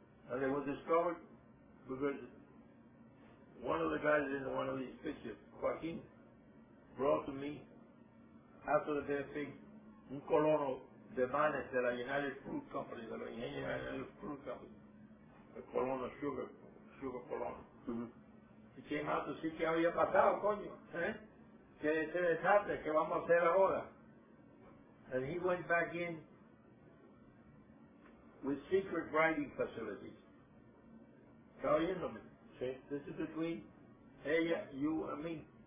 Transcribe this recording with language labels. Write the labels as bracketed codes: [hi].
[en] And they were discovered because one of the guys in one of these pictures, Joaquin, brought to me, after the death thing, [es] un colono de Banes de la [en] United Fruit Company, de la United Fruit Company, a colono sugar colono. Mm-hmm. He came out to see [es] qué había pasado, coño. ¿Qué se desastre? ¿Qué vamos a hacer ahora? [en] And he went back in with secret writing facilities. [es] ¿Está oyéndome? [en] This is between ella, you, and me.